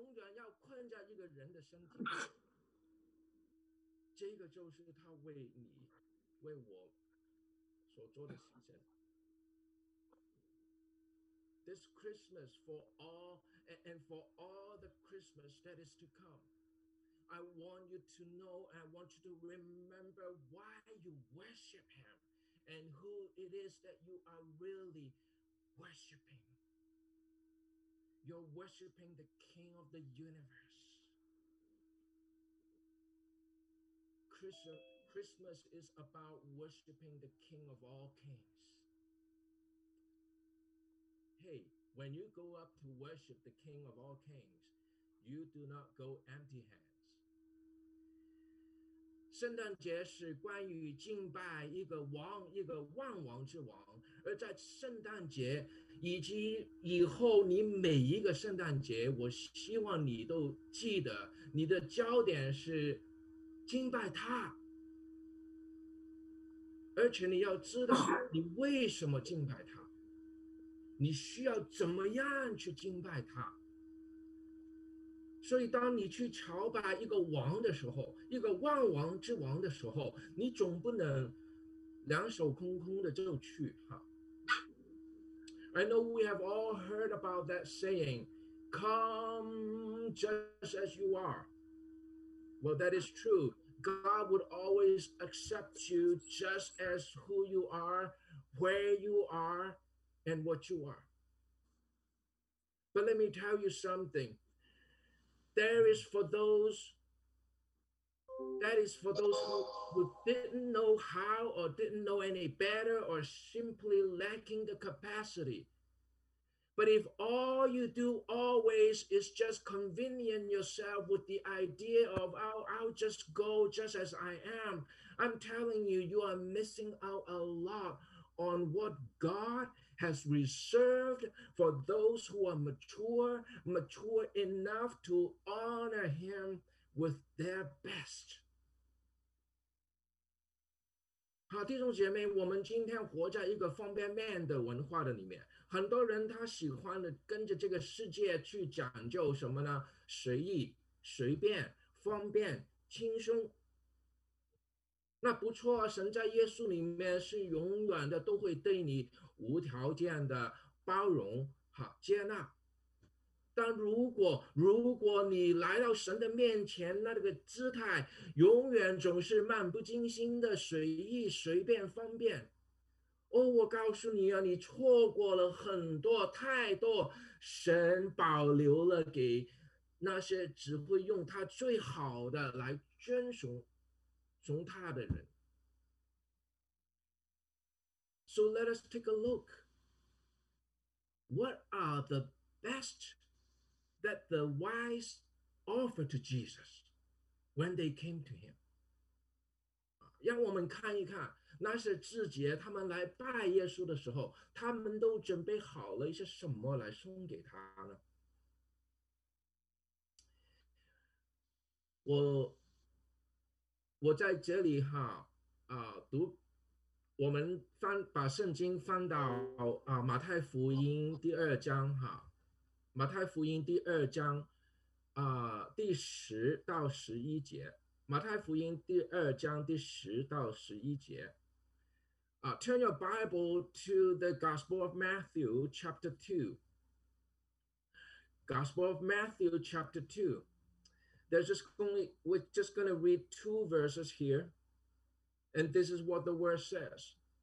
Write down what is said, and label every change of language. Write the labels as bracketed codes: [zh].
[zh] 你把它再扩大1000倍、10000倍，那就是耶稣他所做的牺牲，为我们的缘故。不仅如此啊，为着要永远做我们的大祭司，他更要让自己在永恒世的里面，永远要困在人的样式，永远要困在一个人的身体。这个就是他为你，为我所做的牺牲。 [en] This Christmas for all and for all the Christmas that is to come, I want you to know and I want you to remember why you worship him and who it is that you are really worshiping. You're worshiping the King of the universe. Christmas is about worshiping the King of all kings. Hey, when you go up to worship the King of all kings, you do not go empty hands. [zh] 圣诞节是关于敬拜一个王，一个万王之王。而在圣诞节以及以后，你每一个圣诞节，我希望你都记得，你的焦点是敬拜他。而且你要知道，你为什么敬拜他？你需要怎么样去敬拜他？所以，当你去朝拜一个王的时候，一个万王之王的时候，你总不能两手空空的就去哈。 [en] I know we have all heard about that saying, "Come just as you are." Well, that is true. God would always accept you just as who you are, where you are, and what you are. But let me tell you something. There is for those, that is for those who didn't know how or didn't know any better or simply lacking the capacity. But if all you do always is just convenient yourself with the idea of, oh, I'll just go just as I am, I'm telling you, you are missing out a lot on what God has reserved for those who are mature, mature enough to honor Him with their best. [zh] 好，弟兄姐妹，我们今天活在一个方便面的文化的里面，很多人他喜欢的跟着这个世界去讲究什么呢？随意、随便、方便、轻松。那不错啊，神在耶稣里面是永远的都会对你无条件的包容、好接纳。但如果你来到神的面前，那这个姿态永远总是漫不经心的、随意、随便、方便。哦，我告诉你啊，你错过了很多太多，神保留了给那些只会用他最好的来尊崇他的人。 [en] So let us take a look. What are the best that the wise offered to Jesus when they came to him? [zh] 让我们看一看那些志杰他们来拜耶稣的时候，他们都准备好了一些什么来送给他呢？我在这里哈读。我们把圣经翻到马太福音第二章哈，马太福音第二章第十到十一节，马太福音第二章第十到十一节。 [en] Turn your Bible to the Gospel of Matthew, chapter 2. Gospel of Matthew, chapter 2. We're just going to read two verses here, and this is what the word says.